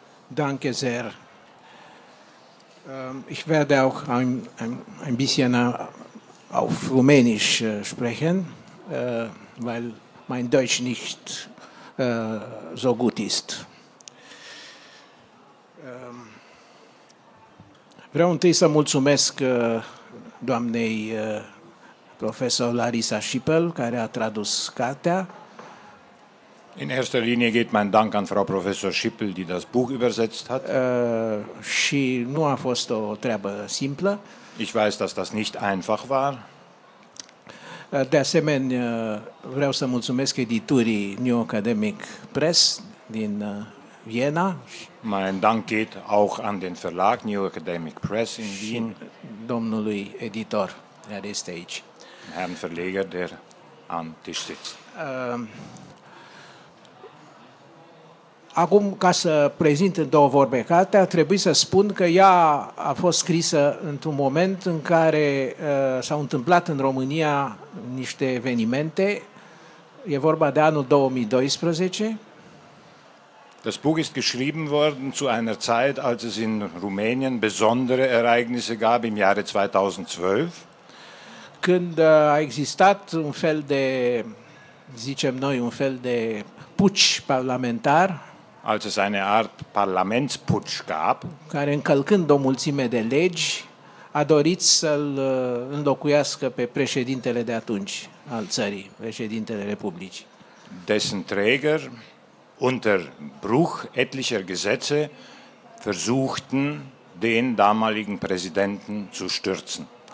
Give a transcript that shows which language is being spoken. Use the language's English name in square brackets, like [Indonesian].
[German] Danke sehr. Ich werde auch ein bisschen auf Rumänisch sprechen, weil mein Deutsch nicht so gut ist. [Romanian] Vreau întâi să mulțumesc doamnei profesor Larisa Schippel, care a tradus cartea. [German] In erster Linie geht mein Dank an Frau Professor Schippel, die das Buch übersetzt hat. [Romanian] Și nu a fost o treabă simplă. [German] Ich weiß, dass das nicht einfach war. [Romanian] De asemenea, vreau să mulțumesc editurii New Academic Press din Viena. [German] Mein Dank geht auch an den Verlag New Academic Press in Wien. [Romanian] Domnului editor, [German] der ist [Romanian] aici. [German] Herrn Verleger, der am Tisch sitzt. [Romanian] Acum, ca să prezint în două vorbe cartea, trebuie să spun că ea a fost scrisă într-un moment în care s-au întâmplat în România niște evenimente. E vorba de anul 2012. [German] Das Buch ist geschrieben worden zu einer Zeit, als es in Rumänien besondere Ereignisse gab im Jahre 2012. [Romanian] Când a existat un fel de, zicem noi, un fel de putsch parlamentar. [German] Als es eine Art Parlamentsputsch gab, [Romanian] care încălcând o mulțime de legi, a dorit să-l înlocuiască pe președintele de atunci al țării, președintele Republicii. [German] Dessen Träger unter Bruch etlicher Gesetze versuchten, den damaligen Präsidenten zu stürzen.